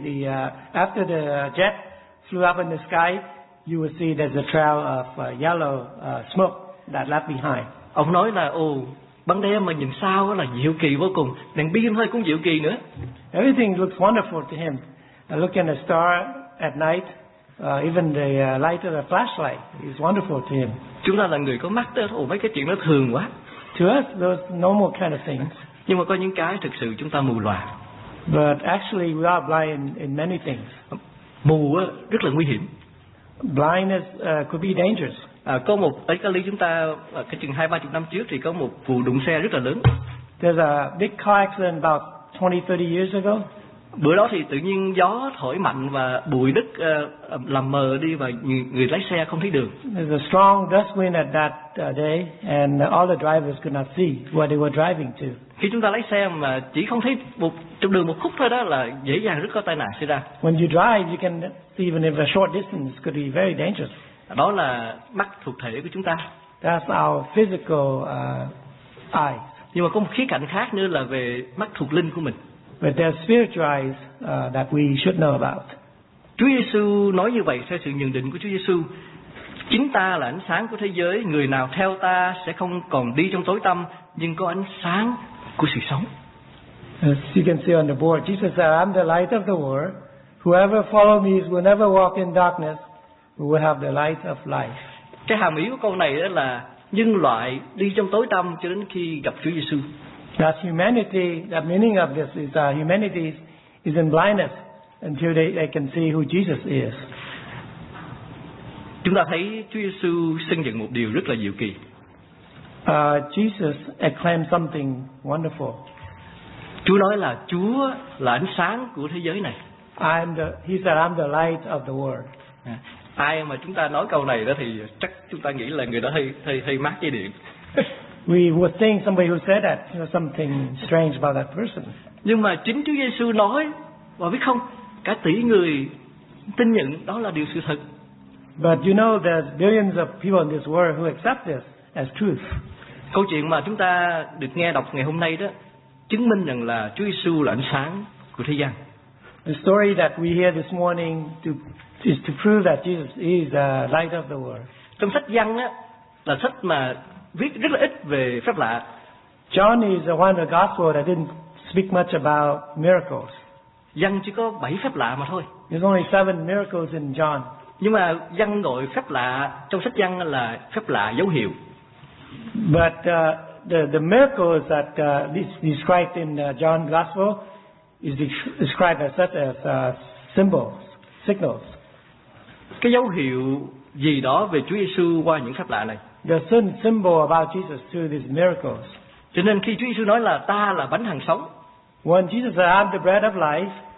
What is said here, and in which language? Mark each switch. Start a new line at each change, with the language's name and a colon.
English: The after the jet flew up in the sky, you will see there's a trail of yellow smoke that left behind.
Vietnamese: Ông nói là ban đêm mà nhìn sao là diệu kỳ vô cùng, đèn pin thôi cũng diệu kỳ nữa.
English: Everything looks wonderful to him. Looking at a star at night, Even the light of the flashlight is wonderful to him.
Vietnamese: Chúng ta là người có mắt, thôi mấy cái chuyện nó thường quá.
English: To us, those normal kind of things.
Vietnamese: Nhưng mà có những cái thực sự chúng ta mù lòa.
English: But actually, we are blind in many things.
Vietnamese: Mù rất là nguy hiểm.
English: Blindness could be dangerous.
Vietnamese: Có một ở Cali chúng ta cái chừng 20-30 năm trước thì có một vụ đụng xe rất là lớn.
English: There's a big car accident about 20-30 years ago.
Vietnamese: Bữa đó thì tự nhiên gió thổi mạnh và bụi đất làm mờ đi và người lái xe không thấy đường.
English: There's a strong dust wind at that day and all the drivers could not see where they were driving to.
Vietnamese: Khi chúng ta lái xe mà chỉ không thấy một trong đường một khúc thôi đó là dễ dàng rất có tai nạn xảy ra.
English: When you drive, you can see even if a short distance could be very dangerous.
Vietnamese: Đó là mắt thuộc thể của chúng ta.
English: That's our physical eye.
Vietnamese: Nhưng mà có một khía cạnh khác nữa là về mắt thuộc linh của mình.
English: But there are spiritual eyes that we should know about.
Vietnamese: Chúa Giêsu nói như vậy theo sự nhận định của Chúa Giêsu. Chính ta là ánh sáng của thế giới. Người nào theo ta sẽ không còn đi trong tối tăm, nhưng có ánh sáng của sự sống.
English: As you can see on the board, Jesus said, I'm the light of the world. Whoever follows me will never walk in darkness. We will have the light of life.
Vietnamese: Cái hàm ý của câu này đó là nhân loại đi trong tối tăm cho đến khi gặp Chúa Giêsu.
English: That's humanity. The meaning of this is humanity is in blindness until they can see who Jesus is.
Vietnamese: Chúng ta thấy Chúa Giêsu xưng nhận một điều rất là diệu kỳ.
English: Jesus acclaimed something wonderful.
Vietnamese: Chúa nói là Chúa là ánh sáng của thế giới này.
English: He said I'm the light of the world.
Vietnamese: Ai mà chúng ta nói câu này đó thì chắc chúng ta nghĩ là người đó hơi mát dây điện.
English: We were saying somebody who said that, you know, something strange about that person.
Vietnamese: Nhưng mà chính Chúa Giêsu nói, và biết không, cả tỷ người tin nhận đó là điều sự thật.
English: But you know there's billions of people in this world who accept this as truth.
Vietnamese: Câu chuyện mà chúng ta được nghe đọc ngày hôm nay đó chứng minh rằng là Chúa Giêsu là ánh sáng của thế gian.
English: The story that we hear this morning is to prove that Jesus is the light of the world.
Vietnamese: Trong sách Giăng á là sách mà viết rất là ít về phép lạ.
English: John is the one of the gospel that didn't speak much about miracles.
Vietnamese: Giăng chỉ có 7 phép lạ mà thôi.
English: There's only 7 miracles in John.
Vietnamese: Nhưng mà Giăng gọi phép lạ trong sách Giăng là phép lạ dấu hiệu.
English: But the miracles that is described in John gospel is described as such as symbols, signals.
Vietnamese: Cái dấu hiệu gì đó về Chúa Giêsu qua những phép lạ này?
English: The sun symbol about Jesus through these miracles.
Vietnamese: Cho nên khi Chúa Giêsu nói là ta là bánh hằng sống.
English: When Jesus said I'm the bread of life.